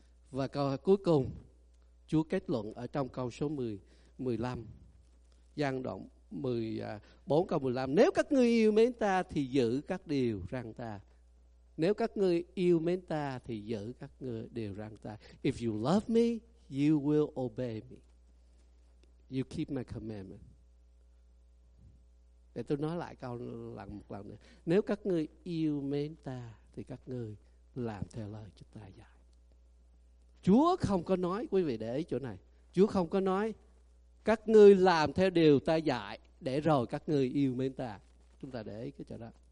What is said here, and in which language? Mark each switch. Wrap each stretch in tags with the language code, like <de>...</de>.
<vi>Và câu cuối cùng, Chúa kết luận ở trong câu số 10-15, gian đoạn 14 câu 15. Nếu các ngươi yêu mến ta thì giữ các điều răn ta. Nếu các ngươi yêu mến ta thì giữ các ngươi điều răn ta.</vi> <en>If you love me, you will obey me. You keep my commandment.</en> <vi>Để tôi nói lại câu một lần nữa. Nếu các ngươi yêu mến ta thì các ngươi làm theo lời chúng ta dạy. Chúa không có nói, quý vị để ý chỗ này. Chúa không có nói các ngươi làm theo điều ta dạy để rồi các ngươi yêu mến ta. Chúng ta để ý cái chỗ đó.</vi>